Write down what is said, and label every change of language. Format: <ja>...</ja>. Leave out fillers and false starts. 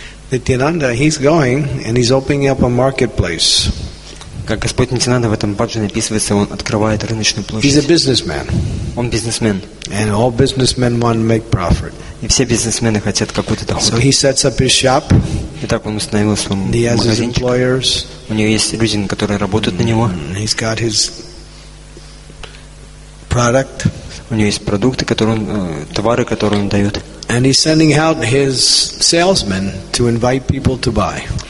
<en>Nityananda, he's going and he's opening up a marketplace.</en> <ru>Как Господь Нитинанда в этом бадже написывается, он открывает рыночную площадь.</ru> <en>He's a businessman.</en> <ru>Он бизнесмен.</ru> <en>And all businessmen want to make profit.</en> <ru>И все бизнесмены хотят какой-то доход.</ru> <en>So he sets up his shop.</en> <ru>Итак, он установил свой магазинчик.</ru> <en>He has his employers.</en> <ru>У него есть люди, которые работают на него.</ru> <en>He's got his product.</en> <ru>У него есть продукты, которые он, товары, которые он дает.</ru> <en>And he's sending out his salesmen to invite people to buy.</en>